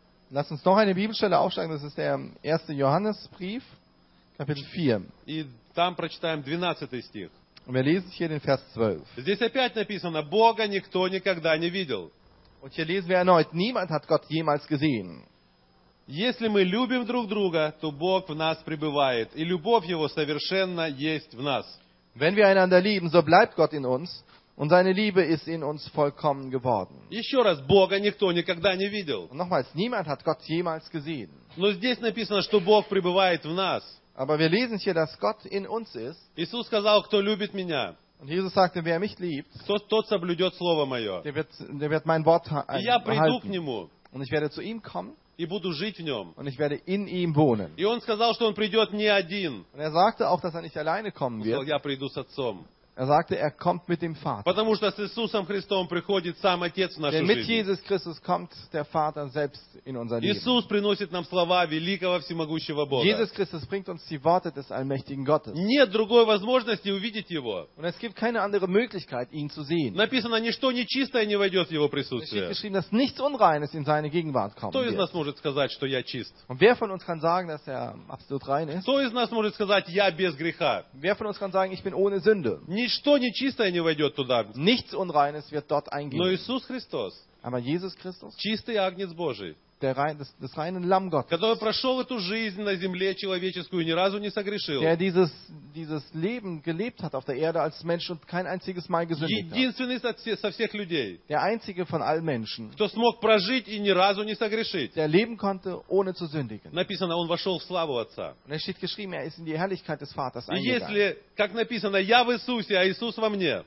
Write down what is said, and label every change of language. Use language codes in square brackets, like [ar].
[de] Lass uns noch eine Bibelstelle aufschlagen. Das ist der erste Johannesbrief, Kapitel 4. [ru] И там прочитаем 12 стих. [de] Und wir lesen hier den Vers 12. [ru] Здесь опять написано, Бога никто никогда не видел. [de] Und hier lesen wir erneut, niemand hat Gott jemals gesehen. [ru] Если мы любим друг друга, то Бог в нас пребывает, и любовь Его совершенно есть в нас. [de] Wenn wir einander lieben, so bleibt Gott in uns, und seine Liebe ist in uns vollkommen geworden. [ru] Еще раз, Бога никто никогда не видел. [de] Und nochmals, niemand hat Gott jemals gesehen. [ru] Но здесь написано, что Бог пребывает в нас. [de] Aber wir lesen hier, dass Gott in uns ist. [ru] Иисус сказал, кто любит меня. [de] Und Jesus sagte, wer mich liebt, [ru] тот соблюдет слово мое. [de] Der wird mein Wort halten. [ru] Я приду к нему. [de] Und ich werde zu ihm kommen. [ru] И буду жить в нем. [de] Und ich werde in ihm wohnen. [ru] И он сказал, что он придет не один. [de] Und er sagte auch, dass er nicht alleine kommen wird. [ru] Я приду с отцом. [de] Er sagte, er kommt mit dem Vater. [ru] Потому что с Иисусом Христом приходит сам Отец в нашу жизнь. [de] Mit Jesus Christus kommt der Vater selbst in unser Leben. [ru] Иисус приносит нам слова великого всемогущего Бога. [de] Jesus Christus bringt uns die Worte des allmächtigen Gottes. [ru] Нет другой возможности увидеть его. [de] Und es gibt keine andere Möglichkeit, ihn zu sehen. [ru] Написано, ничто нечистое не войдет в его присутствие. [de] Es steht geschrieben, dass nichts Unreines in seine Gegenwart kommen wird. [ru] Кто из нас может сказать, что я чист? [de] Und wer von uns kann sagen, dass er absolut rein ist? [ru] Кто из нас может сказать, я без греха? [de] Wer von uns kann sagen, ich bin ohne Sünde? [ru] Ничто нечистое не войдет туда. [de] Nichts Unreines wird dort eingehen. [ru] Но Иисус Христос. [de] Aber Jesus Christus. [ru] Чистый Агнец Божий. [de] Das reine Lamm Gottes. [ru] Который прошел эту жизнь на земле человеческую и ни разу не согрешил. [de] Der dieses Leben gelebt hat auf der Erde als Mensch und kein einziges Mal gesündigt hat. [ru] Единственный со всех людей. [de] Der einzige von allen Menschen. [ru] Кто смог прожить и ни разу не согрешить. [de] Der leben konnte ohne zu sündigen. [ru] Написано, он вошел в славу Отца. [de] Und es steht geschrieben, er ist in die Herrlichkeit des Vaters eingegangen. [ru] И если, как написано, я в Иисусе, а Иисус во мне.